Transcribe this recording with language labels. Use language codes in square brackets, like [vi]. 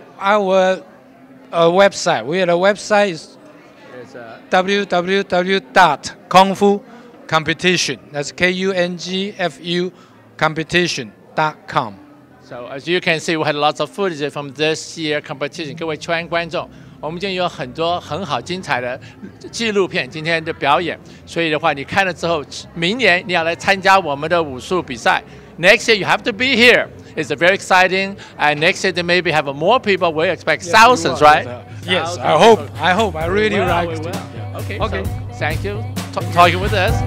[en] Our website. We have a website. It's www.kungfucompetition. That's kungfucompetition.com. So as you can see, we had lots of footage from this year's competition. [zh] 各位全观众，我们今天有很多很好精彩的纪录片，今天的表演。所以的话，你看了之后，明年你要来参加我们的武术比赛。 [en] Next year, you have to be here. It's very exciting. And next year, they maybe have more people. We expect thousands, right? Yes, I hope. I hope. I really like it. Okay. So thank you for talking with us.